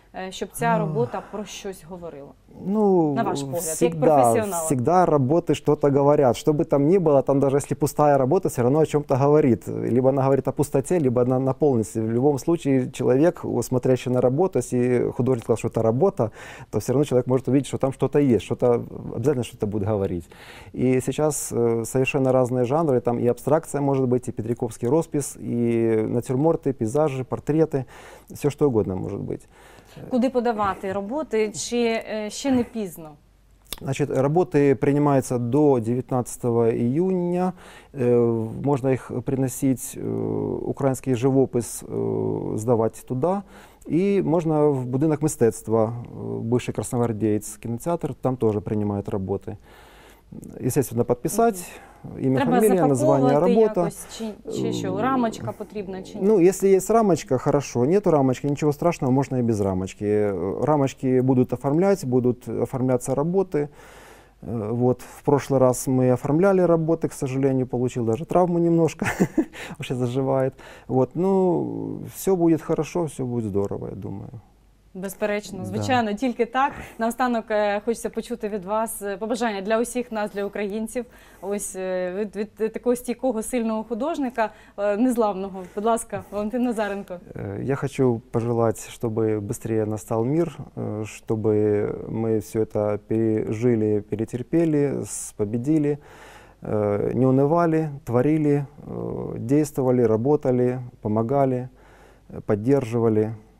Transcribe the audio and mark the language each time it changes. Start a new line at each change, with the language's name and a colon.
Ukrainian: Щоб ця робота про щось говорила. Ну, на ваш погляд,
Russian: всегда,
Ukrainian: як професіонала.
Russian: Всегда роботи что-то говорят. Что бы там ни было, там даже если пустая работа, все равно о чем-то говорит. Либо она говорит о пустоте, либо она наполненности. В любом случае, человек, смотрящий на работу, если художник сказал, что это работа, то все равно человек может увидеть, что там что-то есть, обязательно что-то будет говорить. И сейчас совершенно разные жанры. Там и абстракция может быть, и петриковский роспись, и натюрморты, пейзажи, портреты. Все что угодно может быть.
Ukrainian: Куди подавати роботи, чи ще не пізно?
Russian: Значит,
Ukrainian: роботи приймаються до 19
Russian: июня.
Ukrainian: Можна їх приносити, український живопис здавати туди. І можна в будинок мистецтва, бувший красногвардієць кінотеатр, там теж приймають роботи.
Russian: Естественно,
Ukrainian: підписати.
Russian: Имя,
Ukrainian: треба
Russian: фамилия, название, работа.
Ukrainian: Чи рамочка потрібна чи ні?
Russian: Ну, если есть рамочка, хорошо. Нет рамочки, ничего страшного, можно и без рамочки. Рамочки будут оформляться работы. Вот, в прошлый раз мы оформляли работы, к сожалению, получил даже травму немножко. Вообще заживает. Вот, ну, все будет хорошо, все будет здорово, я думаю.
Ukrainian: Безперечно, звичайно, да. Тільки так. Наостанок хочеться почути від вас побажання для усіх нас, для українців, ось від такого стійкого, сильного художника, незламного. Будь ласка, Валентин Назаренко. Я хочу пожелати, щоб швидше настав мир, щоб ми все це пережили, перетерпіли, побідили, не унивали, творили,
Russian: действовали, работали, помогали, поддерживали.